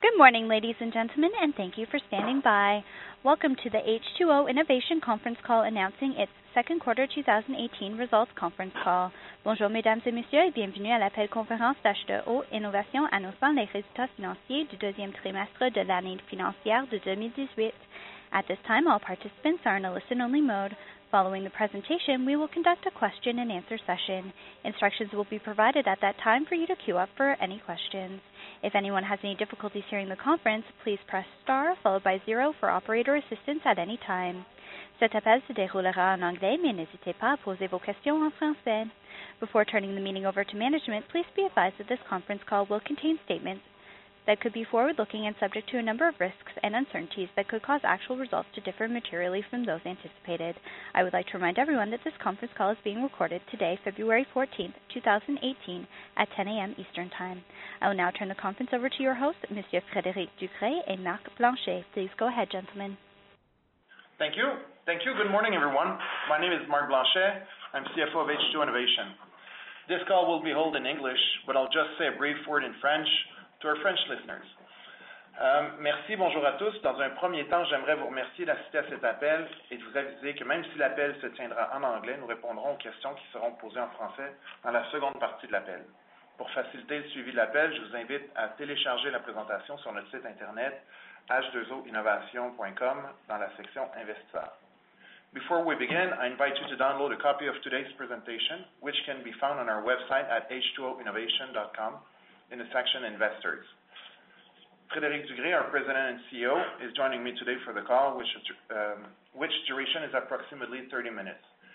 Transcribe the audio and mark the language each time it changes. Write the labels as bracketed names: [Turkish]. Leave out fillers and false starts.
[English] Good morning, ladies and gentlemen, and thank you for standing by. Welcome to the H2O Innovation Conference Call announcing its second quarter 2018 results conference call. [French] Bonjour, mesdames et messieurs, et bienvenue à l'appel conférence d'H2O Innovation annonçant les résultats financiers du deuxième trimestre de l'année financière de 2018. [English] At this time, all participants are in a listen-only mode. Following the presentation, we will conduct a question-and-answer session. Instructions will be provided at that time for you to queue up for any questions. If anyone has any difficulties hearing the conference, please press star followed by zero for operator assistance at any time. [French] Cet appel se déroulera en anglais, mais n'hésitez pas à poser vos questions en français. [English] Before turning the meeting over to management, please be advised that this conference call will contain statements that could be forward-looking and subject to a number of risks and uncertainties that could cause actual results to differ materially from those anticipated. I would like to remind everyone that this conference call is being recorded today, February 14th, 2018, at 10 a.m. Eastern Time. I will now turn the conference over to your hosts, Monsieur Frédéric Ducret and Marc Blanchet. Please go ahead, gentlemen. Thank you. Thank you. Good morning, everyone. My name is Marc Blanchet. I'm CFO of H2O Innovation. This call will be held in English, but I'll just say a brief word in French to our French listeners. [French] Merci, bonjour à tous. Dans un premier temps, j'aimerais vous remercier d'assister à cet appel et de vous aviser que même si l'appel se tiendra en anglais, nous répondrons aux questions qui seront posées en français dans la seconde partie de l'appel. Pour faciliter le suivi de l'appel, je vous invite à télécharger la présentation sur notre site Internet h2oinnovation.com dans la section Investisseurs. [English] Before we begin, I invite you to download a copy of today's presentation, which can be found on our website at h2oinnovation.com. In the section Investors. Frédéric Ducret, our President and CEO, is joining me today for the call, which duration is approximately 30 minutes.